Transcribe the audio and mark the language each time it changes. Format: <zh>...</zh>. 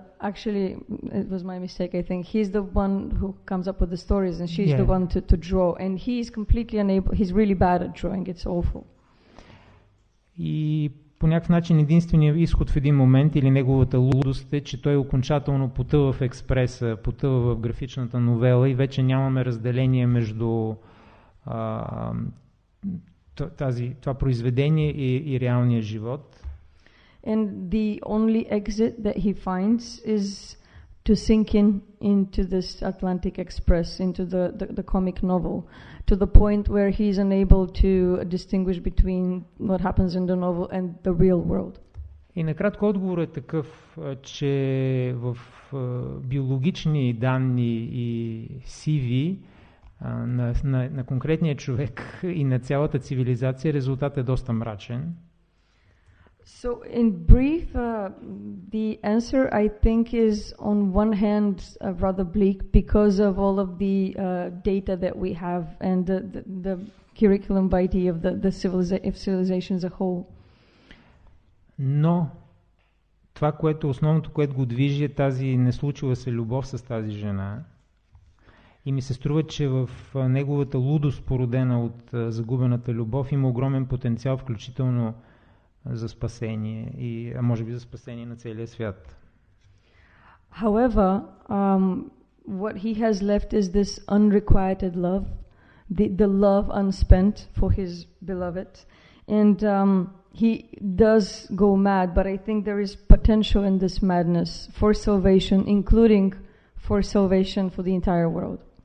<en>Actually, it was my mistake, I think. He's the one who comes up with the stories and she's the one to draw. And he's completely unable, he's really bad at drawing, it's awful.</en> <bg>И по някакъв начин единственият изход в един момент или неговата лудост е, че той окончателно потъва в експреса, потъва в графичната новела и вече нямаме разделение между това произведение и реалния живот.</bg> <en>And the only exit that he finds is to sink into this Atlantic Express, into the comic novel, to the point where he's unable to distinguish between what happens in the novel and the real world.</en> <bg>И накратко отговорът е такъв, че в биологични данни и CV на конкретния човек и на цялата цивилизация резултатът е доста мрачен.</bg> <en>So in brief, the answer I think is on one hand rather bleak because of all of the data that we have and the curriculum vitae of the civilization as a whole.</en> <bg>Но това, което основното, което го движи, е тази неслучила се любов с тази жена. И ми се струва, че в неговата лудост, породена от загубената любов, има огромен потенциал, включително за спасение и може би за спасение на целия свят.</bg> <en>However, what he has left is this unrequited love, the love unspent for his beloved, and he does go mad, but I think there is potential in this madness for salvation, including for salvation for the entire world.</en>